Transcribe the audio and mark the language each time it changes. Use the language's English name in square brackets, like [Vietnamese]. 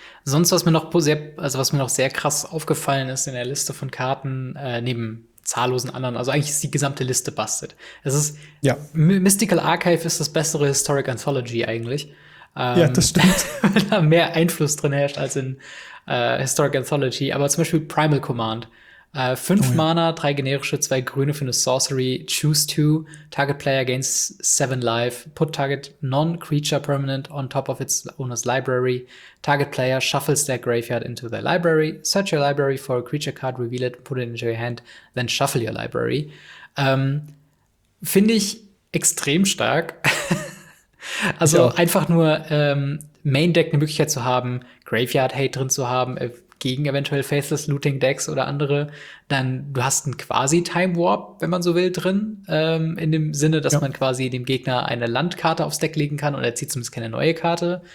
[German] Sonst, was mir noch sehr krass aufgefallen ist in der Liste von Karten, neben zahllosen anderen, also eigentlich ist die gesamte Liste busted. Es ist, ja. Mystical Archive ist das bessere Historic Anthology eigentlich. Ja, das stimmt. Weil da mehr Einfluss drin herrscht als in Historic Anthology. Aber zum Beispiel Primal Command. 5 Mana, 3 generische, 2 grüne für eine Sorcery, [English] choose 2, target player gains 7 life, put target non-creature permanent on top of its owner's library, target player shuffles their graveyard into their library, search your library for a creature card, reveal it, put it into your hand, then shuffle your library. [German] Finde ich extrem stark. Also einfach nur Main Deck eine Möglichkeit zu haben, Graveyard Hate drin zu haben, gegen eventuell Faceless Looting Decks oder andere, dann du hast einen quasi Time Warp, wenn man so will, drin, in dem Sinne, dass man quasi dem Gegner eine Landkarte aufs Deck legen kann und er zieht zumindest keine neue Karte.